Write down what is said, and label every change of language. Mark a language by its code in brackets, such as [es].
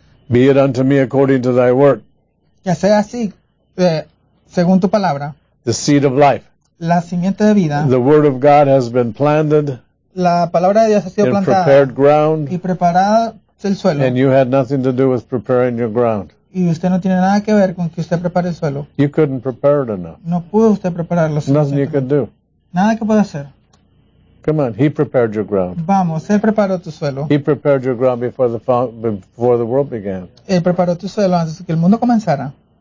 [en] Be it unto me according to thy word. [es] Ya sea así, según tu palabra. [en] The seed of life. [es] La simiente de vida. [en] The word of God has been planted. [es] La palabra de Dios ha sido [en] in [es] plantada. [en] In prepared ground. [es] Y preparada el suelo. [en] And you had nothing to do with preparing your ground. [es] Y usted no tiene nada que ver con que usted prepare el suelo. [en] You couldn't prepare it enough. [es] No pudo usted prepararlo. [en] Nothing you could do. [es] Nada que pueda hacer. [en] Come on, he prepared your ground. [es] Vamos, él preparó tu suelo. [en] He prepared your ground before the world began. [es] Él preparó tu suelo antes de que el mundo comenzara.